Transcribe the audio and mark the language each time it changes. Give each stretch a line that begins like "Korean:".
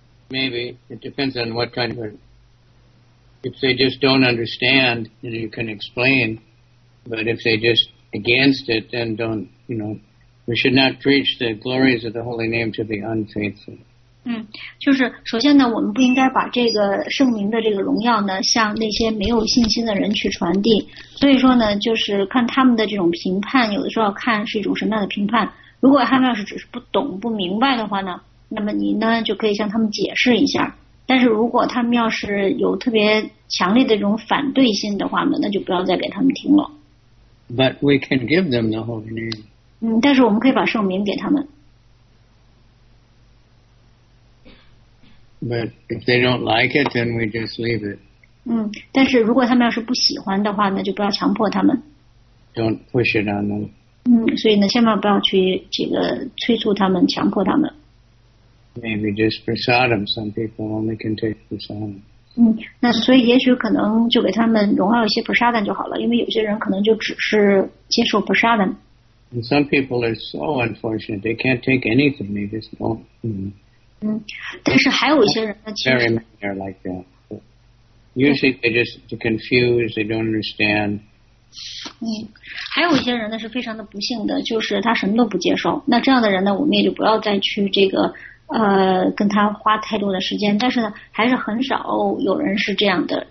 English: Maybe. It depends on what kind of a, if they just don't understand, then you can explain. But if they just against it, then don't, you know, we should not preach the glories of the holy name to the unfaithful.
Chinese: 就是首先呢，我们不应该把这个圣名的这个荣耀呢，向那些没有信心的人去传递。所以说呢，就是看他们的这种评判，有的时候看是一种什么样的评判。如果他们要是只是不懂不明白的话呢，那么你呢就可以向他们解释一下，但是如果他们要是有特别强烈的这种反对心的话呢，那就不要再给他们听了。
English: But we can give them the holy name.
Chinese: 但是我们可以把圣名给他们。
English: But if they don't like it, then we just leave it.
Chinese: 但是如果他们要是不喜欢的话呢，就不要强迫他们。
English: Don't push it on them.
Chinese: 所以呢，千万不要去这个催促他们、强迫他们。
English: Maybe just prasadam. Some people only can take prasadam.
Chinese: 那所以也许可能就给他们荣耀一些 prasadam 就好了，因为有些人可能就只是接受 prasadam.
English: And some people are so unfortunate they can't take anything. They just don't.
Chinese: 但是还有一些人呢，其实
English: very many are like that. Usually they just confused. They don't understand.
Chinese: 还有一些人呢是非常的不幸的，就是他什么都不接受。那这样的人呢，我们也就不要再去这个。跟他花太多的时间，但是呢，还是很少有人是这样的。